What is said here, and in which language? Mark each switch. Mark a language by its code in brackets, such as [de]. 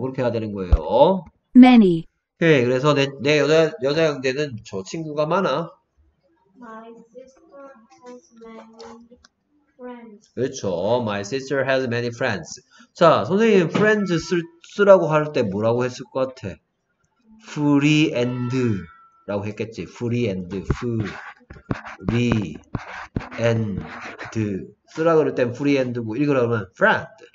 [ko] 그렇게 해야 되는 거예요. [en] many. [ko] 오케이. 그래서 내 여자 형제는 저 친구가 많아. [en] my sister has many friends. [ko] 그렇죠. [en] my sister has many friends. [ko] 자, 선생님 friends 쓰라고 할 때 뭐라고 했을 것 같아? [en] free and [ko] 라고 했겠지. [en] free and free and [ko] 쓰라 그럴 땐 free and고 읽으라 그러면 friend.